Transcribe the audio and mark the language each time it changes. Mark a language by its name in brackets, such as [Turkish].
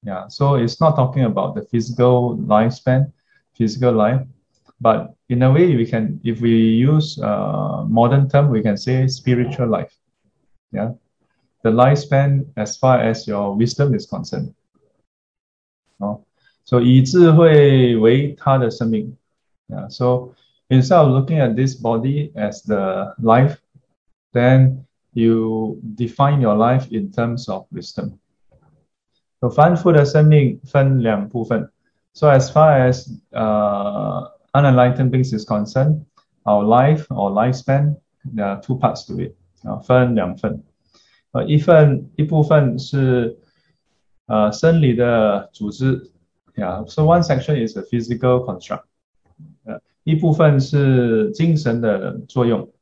[English] So it's not talking about the physical lifespan, physical life, but in a way if we use a modern term, we can say spiritual life. The lifespan as far as your wisdom is concerned. [Chinese] So 以智慧为他的生命. [English] So instead of looking at this body as the life, then You define your life in terms of wisdom. [Chinese] So, 凡夫的生命分两部分. [English] So, as far as unenlightened beings is concerned, our life or lifespan, there are two parts to it. [Chinese] 分两份.一部分是生理的组织. [English] So, one section is a physical construct. [Chinese] 一部分是精神的作用.